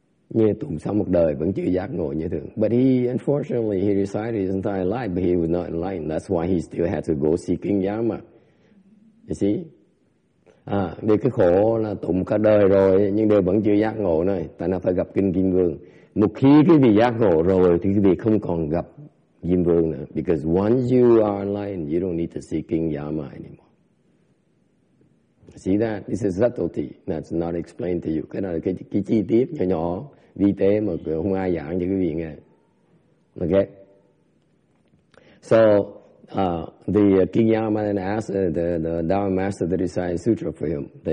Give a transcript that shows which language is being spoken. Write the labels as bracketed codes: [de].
[vi] Như tụng xong một đời vẫn chưa giác ngộ như thường. [en] But he unfortunately he recited his entire life, but he was not enlightened. That's why he still had to go seeking Yama. You see? [vi] Vì cái khổ là tụng cả đời rồi nhưng đều vẫn chưa giác ngộ nữa. Tại nó phải gặp kinh Kim Vương. Một khi quý vị giác ngộ rồi thì quý vị không còn gặp Kim Vương nữa. [en] Because once you are enlightened, you don't need to see King Yama anymore. See that? This is subtlety. That's not explained to you. [vi] Cái này là cái chi tiết nhỏ nhỏ, vi tế mà không ai giảng cho quý vị nghe. [en] Okay? So, the King Yama then asked the Dharma Master to recite sutra for him.